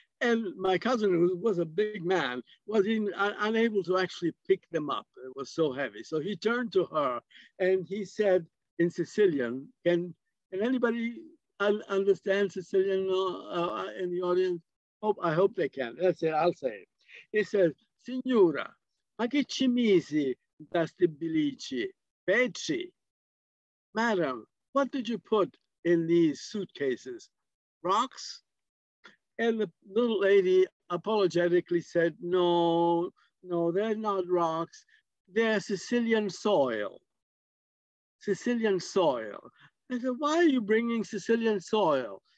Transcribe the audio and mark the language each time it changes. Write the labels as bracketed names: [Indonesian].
[English] And my cousin, who was a big man, was unable to actually pick them up. It was so heavy. So he turned to her and he said in Sicilian, can anybody understand Sicilian in the audience? I hope they can. That's it, I'll say it. He said, [Sicilian] "Signora, ma che ci misi da sti bilici? [English] Peci, madam, what did you put in these suitcases? Rocks?" And the little lady apologetically said, no, they're not rocks. They're Sicilian soil. Sicilian soil. I said, why are you bringing Sicilian soil?